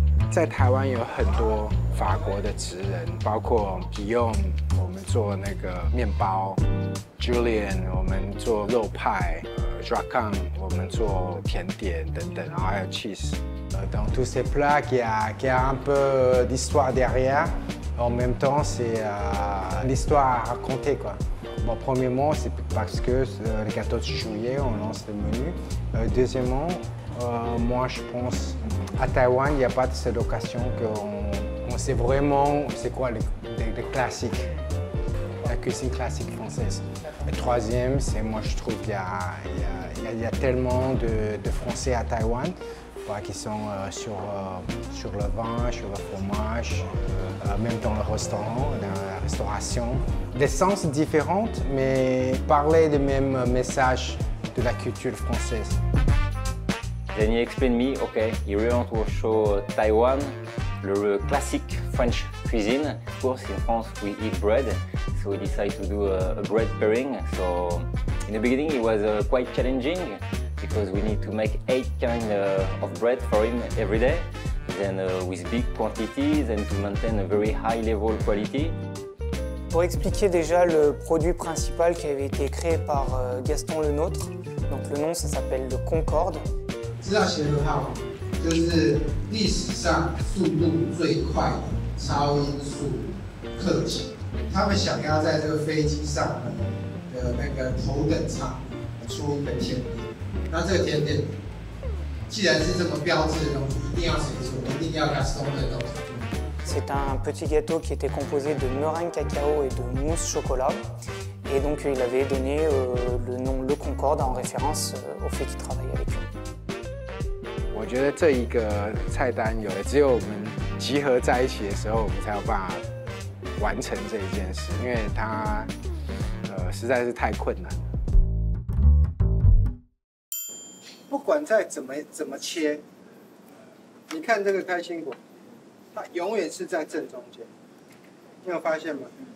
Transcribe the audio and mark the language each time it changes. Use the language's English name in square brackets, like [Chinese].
[Chinese] 在台湾有很多法国的职人，包括 Guillaume， 我们做那个面包 ；Julian， 我们做肉派 ；Dracan， 我们做甜点等等，然后还有 cheese。 [French] Dans tous ces plats, qui a un peu d'histoire derrière. En même temps, c'est l'histoire à raconter, quoi. Bon, premièrement, c'est parce que le 14 juillet, on lance le menu. Deuxièmement, moi, je pense à Taïwan, il n'y a pas de cette occasion qu'on sait vraiment c'est quoi le classique, la cuisine classique française. Et troisième, c'est moi, je trouve qu'il y a tellement de Français à Taïwan. Qui sont sur le vin, sur le fromage, même dans le restaurant, dans la restauration. Des sens différents, mais parler du même message de la culture française. [English] Then he explained me, OK, he really wants to show Taiwan, [French] le classique [English] French cuisine. Of course, in France, we eat bread, so he decided to do a bread pairing. So in the beginning, it was quite challenging. Because we need to make 8 kinds of bread for him every day, then with big quantities and to maintain a very high level quality. [French] Pour expliquer déjà le produit principal qui avait été créé par Gaston Le Nôtre, donc le nom ça s'appelle le Concorde. [Chinese] 知道谁的话吗？就是历史上速度最快的超音速客机，他们想要在这个飞机上的那个头等舱出一个天地。那这个甜点，既然是这么标志的东西，一定要谁做？一定要 Gaston 的东西。 [French] C'est un petit gâteau qui était composé de meringue cacao et de mousse chocolat. Et donc il avait donné le nom Le Concorde en référence au fait qu'il travaille avec eux. [Chinese] 我觉得这一个菜单有，只有我们集合在一起的时候，我们才有办法完成这一件事，因为它实在是太困难。不管再怎么切，你看这个开心果，它永远是在正中间，你有发现吗？